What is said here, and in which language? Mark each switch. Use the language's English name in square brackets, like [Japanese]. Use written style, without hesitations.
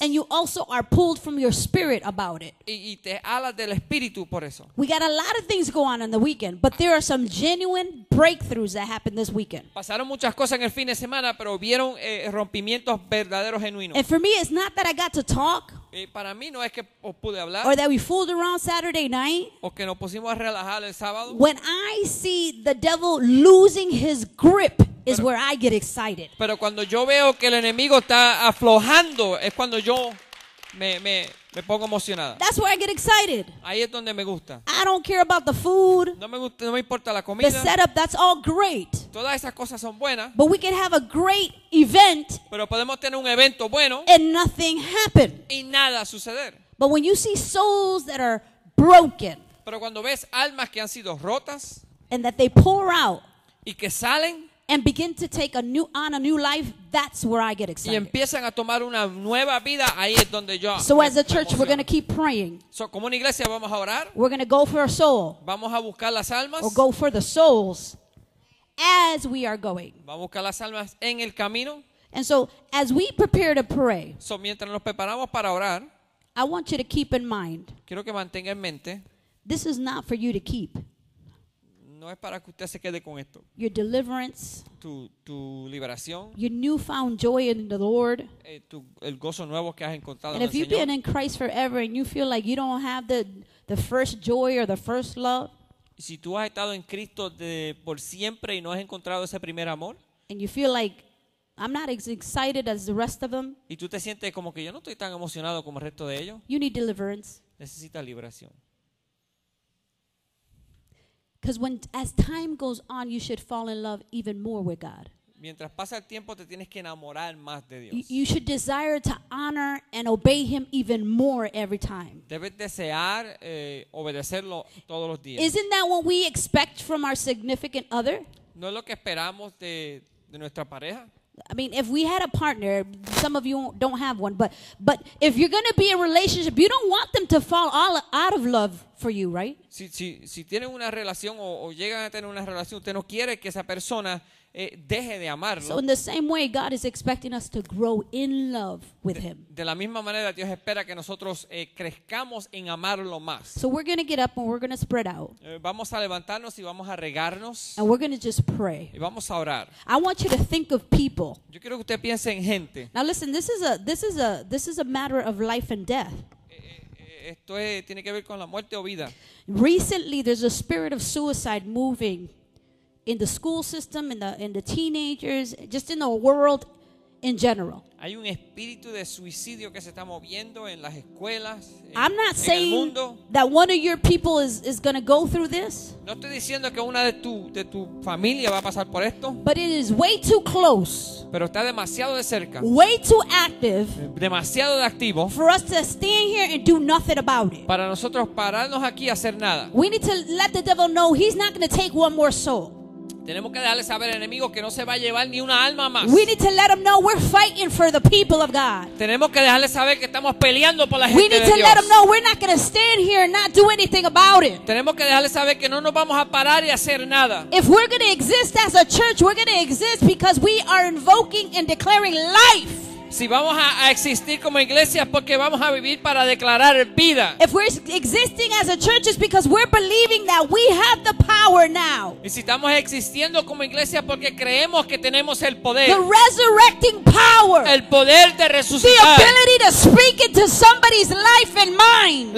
[English] And you also are pulled from your spirit about it. [Spanish] Y te alas del espíritu por eso. [English] We got a lot of things go on the weekend, but there are some genuine breakthroughs that happened this weekend. [Spanish] Pasaron muchas cosas en el fin de semana, pero vieron rompimientos verdaderos, genuinos. [English] And for me, it's not that I got to talk. [Spanish] Y para mí no es que pude hablar. [English] Or that we fooled around Saturday night. [Spanish] O que nos pusimos a relajar el sábado. [English] When I see the devil losing his grip, is where I get excited. [Spanish] Pero cuando yo veo que el enemigo está aflojando, es cuando yo me pongo emocionada. [English] That's where I get excited. [Spanish] Ahí es donde me gusta. [English] I don't care about the food. [Spanish] No me importa la comida. [English] The setup, that's all great. [Spanish] Todas esas cosas son buenas. [English] But we can have a great event. [Spanish] Pero podemos tener un evento bueno. [English] And nothing happen. [Spanish] Y nada suceder. [English] But when you see souls that are broken. [Spanish] Pero cuando ves almas que han sido rotas. [English] And that they pour out. [Spanish] Y que salen. [English] And begin to take a new life, that's where I get excited. [Spanish] Y empiezan a tomar una nueva vida, ahí es donde yo. [English] So as a church, we're going to keep praying. [Spanish] So como una iglesia vamos a orar. [English] We're going to go for a soul. [Spanish] Vamos a buscar las almas. [English] Or go for the souls as we are going. [Spanish] Vamos a buscar las almas en el camino. [English] And so as we prepare to pray. [Spanish] So mientras nos preparamos para orar. [English] I want you to keep in mind. [Spanish] Quiero que mantenga en mente. [English] This is not for you to keep. [Spanish] No es para que usted se quede con esto. [English] Your deliverance, [Spanish] tu liberación, [English] your newfound joy in the Lord, [Spanish] el gozo nuevo que has encontrado. [English] And [Spanish] en [English] if you've been in Christ forever and you feel like you don't have the first joy or the first love, [Spanish] si tú has estado en Cristo de por siempre y no has encontrado ese primer amor, [English] and you feel like I'm not as excited as the rest of them, [Spanish] y tú te sientes como que yo no estoy tan emocionado como el resto de ellos, [English] you need deliverance. [Spanish] Necesitas liberación. [English] Because when, as time goes on, you should fall in love even more with God. [Spanish] Mientras pasa el tiempo, te tienes que enamorar más de Dios. [English] You should desire to honor and obey Him even more every time. [Spanish] Debes desear obedecerlo todos los días. [English] Isn't that what we expect from our significant other? [Spanish] No es lo que esperamos de nuestra pareja. [English] I mean, if we had a partner, some of you don't have one, but if you're going to be in a relationship, you don't want them to fall all out of love for you, right? [Spanish] Si tienen una relación o llegan a tener una relación, usted no quiere que esa persona deje de amarlo. [English] So in the same way, God is expecting us to grow in love with Him. [Spanish] De la misma manera, Dios espera que nosotros crezcamos en amarlo más. [English] So we're going to get up and we're going to spread out. [Spanish] Vamos a levantarnos y vamos a regarnos. [English] And we're going to just pray. [Spanish] Y vamos a orar. [English] I want you to think of people. [Spanish] Yo quiero que usted piense en gente. [English] Now listen, this is a matter of life and death. [Spanish] Esto es, tiene que ver con la muerte o vida. [English] Recently, there's a spirit of suicide moving in the school system, in the teenagers, just in the world in general. [Spanish] Hay un espíritu de suicidio que se está moviendo en las escuelas, en el mundo. [English] I'm not saying that one of your people is going to go through this. [Spanish] No estoy diciendo que una de tu familia va a pasar por esto. [English] But it is way too close. [Spanish] Pero está demasiado de cerca. [English] Way too active. [Spanish] Demasiado de activo. [English] For us to stand here and do nothing about it. [Spanish] Para nosotros pararnos aquí a hacer nada. [English] We need to let the devil know he's not going to take one more soul. [Spanish] Tenemos que darle saber al enemigo que no se va a llevar ni una alma más. [English] We need to let them know we're fighting for the people of God. [Spanish] Tenemos que dejarle saber que estamos peleando por la gente de Dios. [English] We need to let them know we're not going to stand here and not do anything about it. [Spanish] Tenemos que dejarle saber que no nos vamos a parar y hacer nada. [English] If we're going to exist as a church, we're going to exist because we are invoking and declaring life. [Spanish] Si vamos a existir como iglesia, porque vamos a vivir para declarar vida. [English] If we're existing as a church, it's because we're believing that we have the power now. [Spanish] Y si estamos existiendo como iglesia, porque creemos que tenemos el poder. [English] The resurrecting power. [Spanish] El poder de resucitar. [English] The ability to speak into somebody's life and mind.